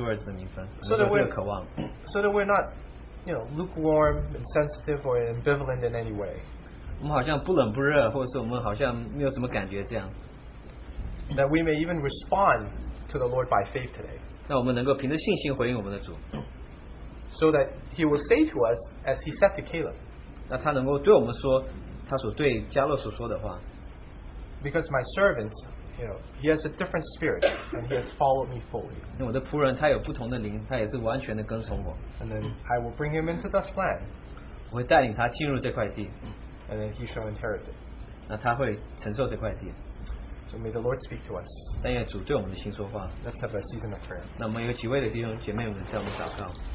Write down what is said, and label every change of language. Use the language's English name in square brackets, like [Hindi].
[Chinese] 但是主实在对我们说话，让我们能够实在是能够明白我们怎么样能够得着主儿子的名分，能够这个渴望。 [English] So that we're not, you know, lukewarm, insensitive, or ambivalent in any way. [Chinese] 我们好像不冷不热，或者是我们好像没有什么感觉这样。 [English] That we may even respond to the Lord by faith today. [Chinese] 那我们能够凭着信心回应我们的主。 [English] So that he will say to us, as he said to Caleb, [Chinese] 那他能够对我们说他所对迦勒所说的话。 [English] Because my servant, you know, he has a different spirit and he has followed me fully. [Chinese] 我的仆人他有不同的灵，他也是完全的跟从我。 [English] And then I will bring him into this land. [Chinese] 我会带领他进入这块地。 [English] And then he shall inherit it. [Chinese] 那他会承受这块地。 [English] So may the Lord speak to us. [Chinese] 但愿主对我们的心说话。 [English] Let's have a season of prayer. [Chinese] 那我们有几位的弟兄姐妹们向我们祷告。